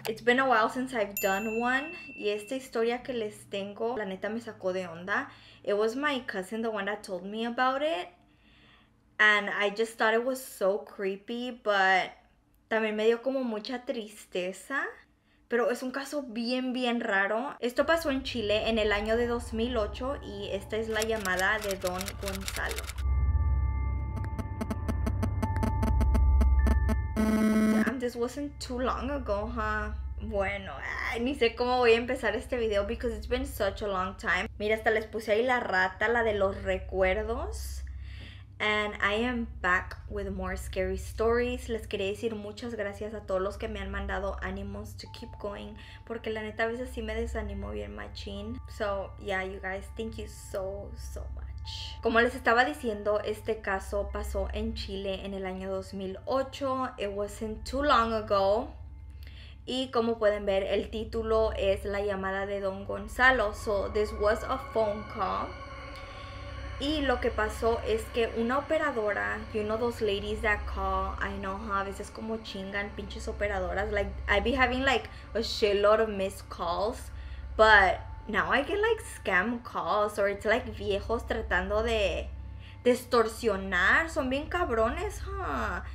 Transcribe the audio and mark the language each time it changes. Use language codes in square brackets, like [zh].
[en] It's been a while since I've done one. [es] Y esta historia que les tengo, la neta me sacó de onda. [en] It was my cousin, the one that told me about it. And I just thought it was so creepy, but [es] también me dio como mucha tristeza. Pero es un caso bien, bien raro. Esto pasó en Chile en el año de 2008 y esta es la llamada de Don Gonzalo. [en] Damn, this wasn't too long ago, huh? [es] Bueno, ni sé cómo voy a empezar este video [en] because it's been such a long time. [es] Mira, hasta les puse ahí la rata, la de los recuerdos. [en] And I am back with more scary stories. [es] Les quería decir muchas gracias a todos los que me han mandado ánimos [en] to keep going. [es] Porque la neta a veces sí me desanimo bien machín. [en] So, yeah, you guys, thank you so, so much. [es] Como les estaba diciendo, este caso pasó en Chile en el año 2008. [en] It wasn't too long ago. [es] Y como pueden ver, el título es La Llamada de Don Gonzalo. [en] So, this was a phone call. [es] Y lo que pasó es que una operadora, [en] you know those ladies that call, I know, huh? [es] A veces como chingan pinches operadoras, [en] like, I be having like a shitload of missed calls, but now I get like scam calls, or it's like [es] viejos tratando de distorsionar, son bien cabrones, [en] huh?